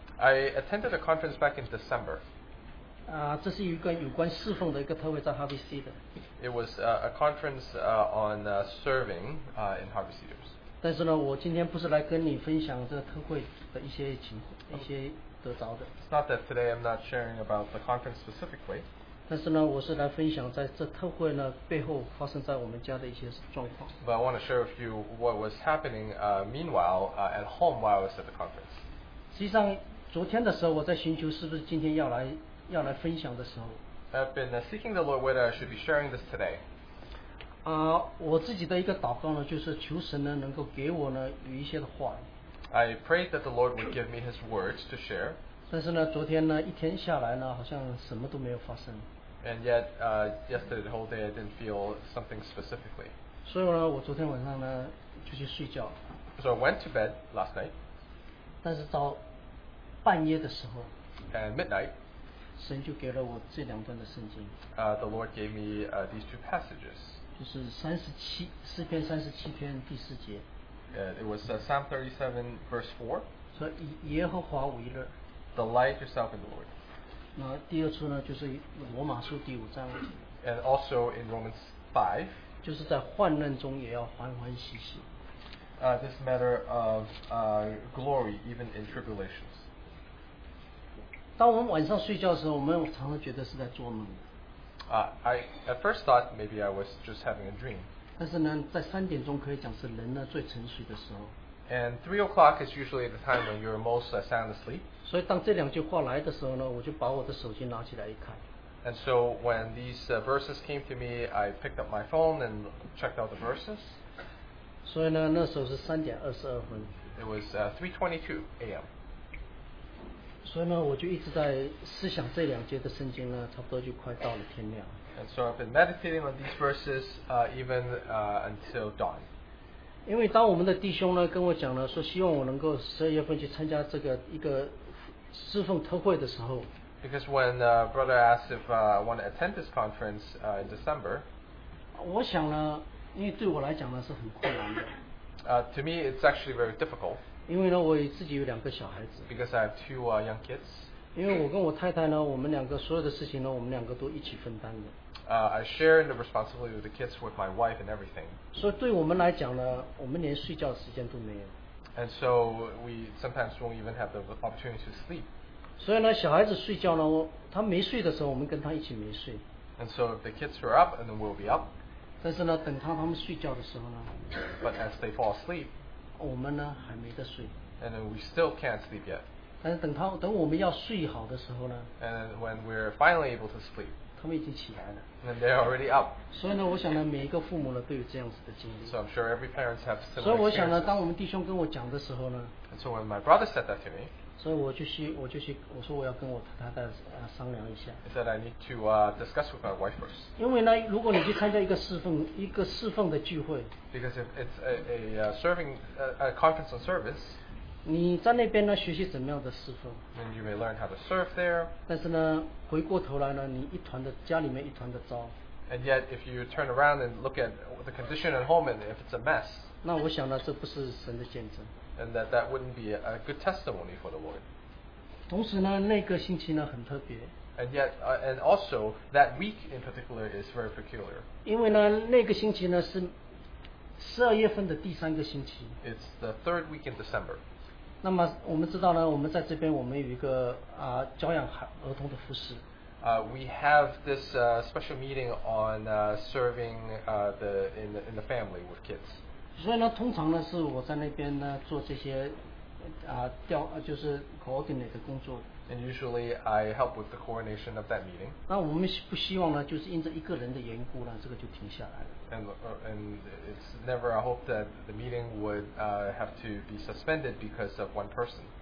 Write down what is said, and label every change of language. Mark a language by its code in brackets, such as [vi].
[en] I attended a conference back in December. [zh] 这是一个有关侍奉的一个特会，在 Harvey Cedars. [en] It was a conference on serving in Harvey Cedars. [zh] 但是呢，我今天不是来跟你分享这个特会的一些情况，一些得着的。 [en] It's not that today I'm not sharing about the conference specifically. [zh] 但是呢，我是来分享在这特会呢背后发生在我们家的一些状况。 [en] But I want to share with you what was happening, meanwhile, at home while I was at the conference. [zh] 实际上，昨天的时候我在寻求是不是今天要来分享的时候。 [en] I've been seeking the Lord whether I should be sharing this today. [zh] 我自己的一个祷告呢，就是求神呢能够给我呢有一些的话。 [en] I prayed that the Lord would give me His words to share. [zh] 但是呢，昨天呢一天下来呢，好像什么都没有发生。 [en] And yet, yesterday the whole day I didn't feel something specifically. [zh] 所以呢，我昨天晚上呢就去睡觉。 [en] So I went to bed last night. [zh] 但是到半夜的时候。 [en] And midnight. [zh] 神就给了我这两段的圣经。 [en] The Lord gave me these two passages. [zh] 就是诗篇三十七篇第四节。 [en] It was Psalm 37 verse 4. [zh] 说耶和华为乐。 [en] Delight yourself in the Lord. [zh] 那第二处呢，就是罗马书第五章。 [en] And also in Romans 5. [zh] 就是在患难中也要欢欢喜喜。 [en] This matter of glory even in tribulations. [zh] 当我们晚上睡觉的时候，我们常常觉得是在做梦。 [en] I at first thought maybe I was just having a dream. [zh] 但是呢，在三点钟可以讲是人呢最沉睡的时候。 [en] And 3 o'clock is usually the time when you're most sound asleep. [zh] 所以当这两句话来的时候呢，我就把我的手机拿起来一看。 [en] And so when these verses came to me, I picked up my phone and checked out the verses. [zh] 所以呢，那时候是3:22。 [en] It was 3:22 a.m. [zh] 所以呢，我就一直在思想这两节的圣经呢，差不多就快到了天亮。 [en] And so I've been meditating on these verses, even until dawn. [zh] 因为当我们的弟兄呢跟我讲了，说希望我能够12月份去参加这个一个侍奉特会的时候。 [en] Because when brother asked if I want to attend this conference in December. [zh] 我想呢，因为对我来讲呢是很困难的。 [en] To me, it's actually very difficult. [zh] 因为呢，我自己有两个小孩子。 [en] Because I have two young kids. [zh] 因为我跟我太太呢，我们两个所有的事情呢，我们两个都一起分担的。 [en] I share the responsibility of the kids with my wife and everything. [zh] 所以对我们来讲呢，我们连睡觉时间都没有。 [en] And so we sometimes won't even have the opportunity to sleep. [zh] 所以呢，小孩子睡觉呢，他没睡的时候，我们跟他一起没睡。 [en] And so if the kids are up, and then we'll be up. [zh] 但是呢，等他们睡觉的时候呢。 [en] But as they fall asleep. [zh] 我们呢还没得睡。 [en] And we still can't sleep yet. [zh] 但是等我们要睡好的时候呢。 [en] And when we're finally able to sleep. [zh] 他们已经起来了。 [en] And they're already up. [zh] 所以呢，我想呢，每一个父母呢都有这样子的经历。 [en] So I'm sure every parents have similar. [zh] 所以我想呢，当我们弟兄跟我讲的时候呢。 [en] And so when my brother said that to me. [zh] 所以我就去，我说我要跟我太太商量一下。 [en] He said I need to discuss with my wife first. [zh] 因为呢，如果你去参加一个侍奉的聚会。 [en] Because if it's a conference on service. [zh] 你在那边呢学习怎么样的侍奉。 [en] And you may learn how to serve there. [zh] 但是呢，回过头来呢，你一团的家里面一团的糟。 [en] And yet, if you turn around and look at the condition at home, and if it's a mess. [zh] 那我想呢，这不是神的见证。 [en] And that wouldn't be a good testimony for the Lord. [zh] 同时呢，那个星期呢很特别。 [en] And yet, and also that week in particular is very peculiar. [zh] 因为呢，那个星期呢是十二月份的第三个星期。 [en] It's the third week in December. [zh] 那么我们知道呢，我们在这边我们有一个教养儿童的服事。 [en] We have this special meeting on serving in the family with kids. [zh] 所以呢，通常呢是我在那边呢做这些就是 coordinate 的工作。 [en] And usually I help with the coordination of that meeting. [zh] 那我们不希望呢，就是因着一个人的缘故呢，这个就停下来了。 [en] And it's never I hope that the meeting would have to be suspended because of one person.